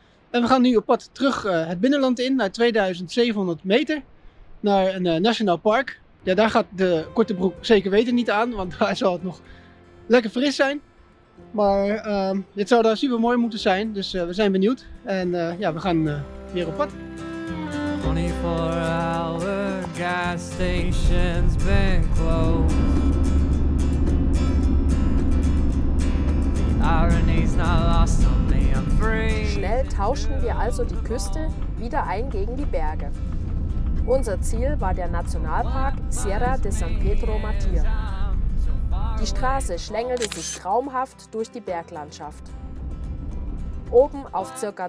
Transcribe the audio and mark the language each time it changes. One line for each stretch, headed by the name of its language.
Dutch: En we gaan nu op pad terug het binnenland in, naar 2700 meter, naar een nationaal park. Ja, daar gaat de korte broek zeker weten niet aan, want daar zal het nog lekker fris zijn. Maar dit zou daar super mooi moeten zijn, dus we zijn benieuwd. En ja, we gaan weer op pad.
English: 24-hour gas station's been closed. The irony's not lost on me, I'm free.
German: Schnell tauschen wir also die Küste wieder ein gegen die Berge. Unser Ziel war der Nationalpark Sierra de San Pedro Martir. Die Straße schlängelte sich traumhaft durch die Berglandschaft. Oben auf ca.